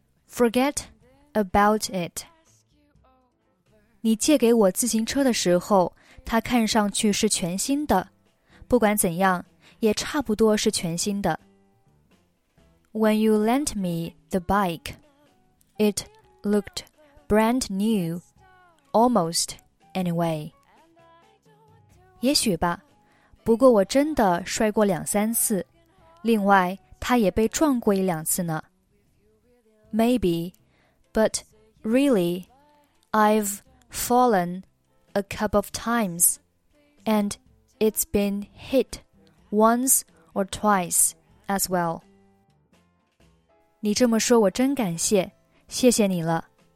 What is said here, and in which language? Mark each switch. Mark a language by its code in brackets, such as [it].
[en] Forget about it. [zh] 你借给我自行车的时候，它看上去是全新的。不管怎样，也差不多是全新的。 [en] When you lent me the bike, it looked brand new, almost. Anyway, [zh] 也许吧，不过我真的摔过两三次，另外他也被撞过一两次呢。 [en] Maybe, but really, I've fallen a couple of times, and it's been hit once or twice as well. [zh] 你这么说我真感谢，谢谢你了。